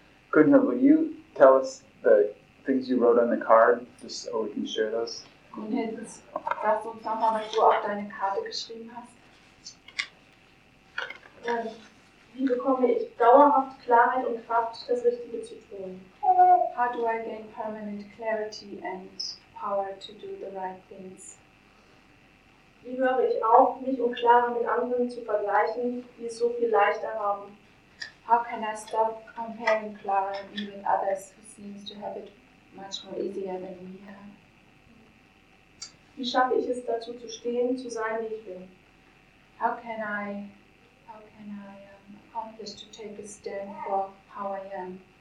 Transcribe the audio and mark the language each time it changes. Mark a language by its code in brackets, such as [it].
[en] Gunhild, will you tell us the things you wrote on the card, just so we can share those? [de] Sagst du uns nochmal, was du auf deine Karte geschrieben hast? Wie bekomme ich dauerhaft Klarheit und Kraft, das Richtige zu tun? [en] How do I gain permanent clarity and power to do the right things? [de] Wie höre ich auf, mich und Clara mit anderen zu vergleichen, die es so viel leichter haben? [en] How can I stop comparing Clara with others who seems to have it much more easier than we have? [de] Wie schaffe ich es, dazu zu stehen, zu sein, wie ich bin? [en] How can I accomplish to take a stand for how I am?